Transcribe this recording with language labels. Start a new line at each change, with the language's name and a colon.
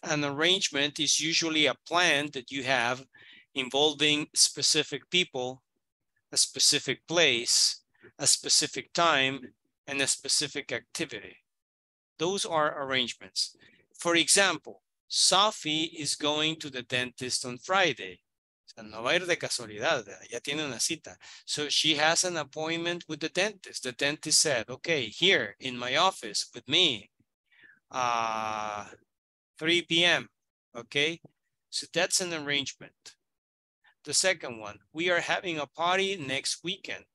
English: An arrangement is usually a plan that you have involving specific people, a specific place, a specific time, and a specific activity. Those are arrangements. For example, Sophie is going to the dentist on Friday.
Spanish: No va a ir de casualidad, ya tiene una cita.
English: So she has an appointment with the dentist. The dentist said, okay, here in my office with me, 3 p.m., okay? So that's an arrangement. The second one, we are having a party next weekend.